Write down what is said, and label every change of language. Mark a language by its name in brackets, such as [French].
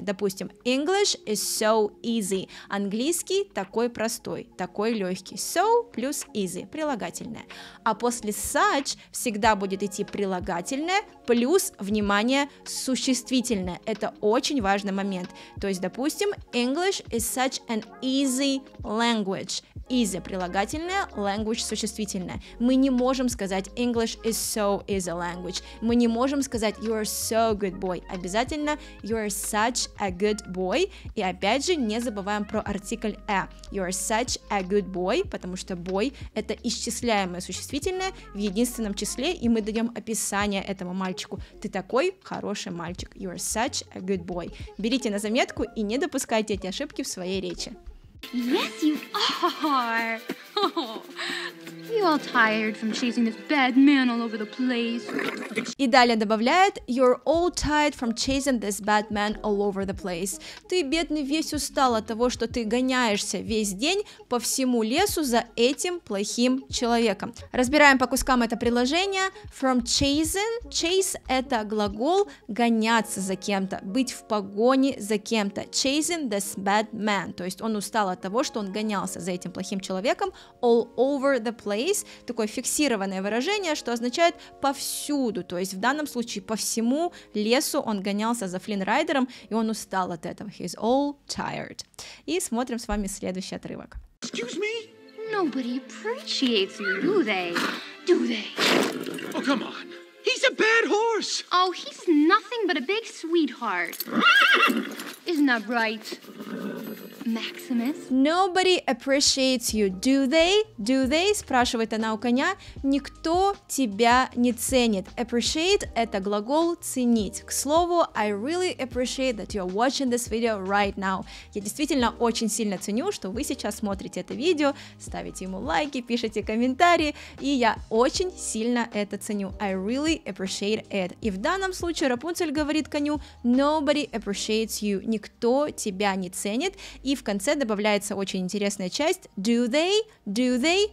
[Russian] Допустим, [English] English is so easy, [Russian] английский такой простой, такой легкий, so плюс easy, прилагательное. А после such всегда будет идти прилагательное плюс, внимание, существительное, это очень важный момент. То есть, допустим, [English] English is such an easy language. [Russian] Easy прилагательное, language существительное. Мы не можем сказать [English] English is so easy language. [Russian] Мы не можем сказать [English] you are so good boy. Обязательно you are such a good boy. [Russian] И опять же не забываем про артикль a. You are such a good boy, потому что boy это исчисляемое существительное в единственном числе, и мы даем описание этому мальчику. Ты такой хороший мальчик. [English] You are such a good boy. [Russian] Берите на заметку и не допускайте эти ошибки в своей речи. [English] Yes, you are. Oh, you're all tired from chasing this bad man all over the place. [Russian] И далее добавляет, [English] you're all tired from chasing this bad man all over the place. [Russian] Ты, бедный, весь устал от того, что ты гоняешься весь день по всему лесу за этим плохим человеком. Разбираем по кускам это предложение. [English] From chasing, [Russian] chase это глагол гоняться за кем-то, быть в погоне за кем-то. [English] Chasing this bad man, [Russian] то есть он устал от того, что он гонялся за этим плохим человеком. [English] All over the place, [Russian] такое фиксированное выражение, что означает повсюду, то есть в данном случае по всему лесу он гонялся за Флинн Райдером, и он устал от этого. [English] He's all tired. [Russian] И смотрим с вами следующий отрывок. [English] Excuse me? Nobody appreciates you, do they? Do they? Oh, come on. He's a bad horse. Oh, he's nothing but a big sweetheart. Isn't that right? Maximus? Nobody appreciates you, do they? Do they? [Russian] Спрашивает она у коня. Никто тебя не ценит. Appreciate – это глагол ценить. К слову, [English] I really appreciate that you're watching this video right now. [Russian] Я действительно очень сильно ценю, что вы сейчас смотрите это видео, ставите ему лайки, пишите комментарии, и я очень сильно это ценю. [English] I really appreciate it. [Russian] И в данном случае Рапунцель говорит коню, [English] nobody appreciates you. [Russian] Никто тебя не ценит. И в конце добавляется очень интересная часть do they.